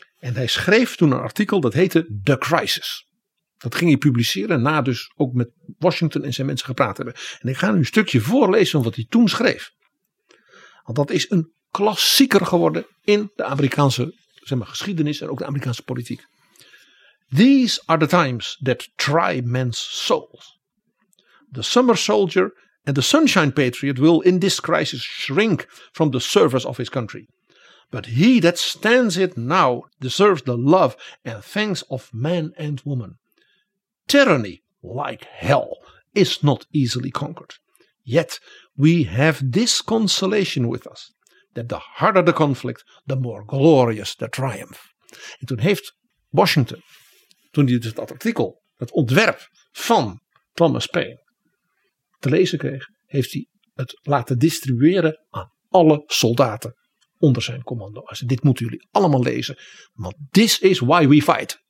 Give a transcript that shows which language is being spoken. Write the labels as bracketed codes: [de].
[nl] En hij schreef toen een artikel dat heette The Crisis. Dat ging hij publiceren na dus ook met Washington en zijn mensen gepraat hebben. En ik ga nu een stukje voorlezen van wat hij toen schreef. Want dat is een klassieker geworden in de Amerikaanse geschiedenis en ook de Amerikaanse politiek. [en] These are the times that try men's souls. The summer soldier and the sunshine patriot will in this crisis shrink from the service of his country. But he that stands it now deserves the love and thanks of man and woman. Tyranny, like hell, is not easily conquered. Yet we have this consolation with us, that the harder the conflict, the more glorious the triumph. [nl] En toen heeft Washington, toen hij dus dat artikel, het ontwerp van Thomas Paine, te lezen kreeg, heeft hij het laten distribueren aan alle soldaten onder zijn commando. Hij zei, dit moeten jullie allemaal lezen, want [en] this is why we fight.